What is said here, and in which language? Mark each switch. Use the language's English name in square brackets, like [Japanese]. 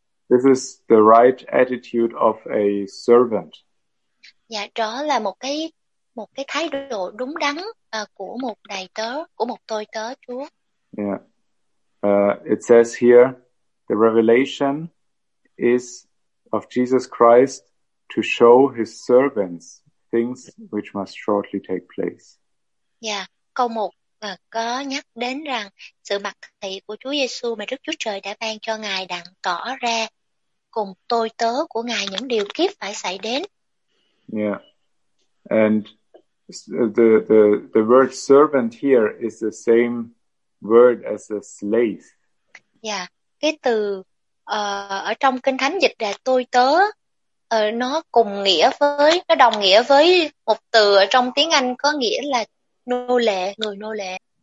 [English] This is the right attitude of a servant. [Vietnamese] Dạ, đó là một cái thái độ đúng đắn của một đầy tớ, của một tôi tớ Chúa. [English] Yeah. It says here, the revelation is of Jesus Christ to show his servants things which must shortly take place. Yeah. [Vietnamese] Câu 1 có nhắc đến rằng sự mặc thị của Chúa Giêsu mà Đức Chúa Trời đã ban cho Ngài đặng tỏ ra cùng tôi tớ của Ngài những điều kiếp phải xảy đến. [English] Yeah. And the word servant here is the same word as a slave. [Vietnamese] Yeah, cái từ ở trong Kinh Thánh dịch là tôi tớ, nó cùng nghĩa với, nó đồng nghĩa với một từ ở trong tiếng Anh có nghĩa là nô lệ, người nô lệ.